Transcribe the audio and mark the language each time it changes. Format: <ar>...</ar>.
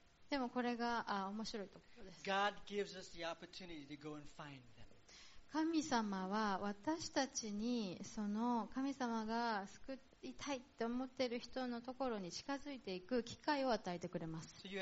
<ja>でもこれが面白いところです。</ja> <en>God gives us the opportunity to go and find them.</en> <ja>神様は私たちにその神様が救って痛いって思っている人のところに近づいていく機会を与えてくれます。</ja>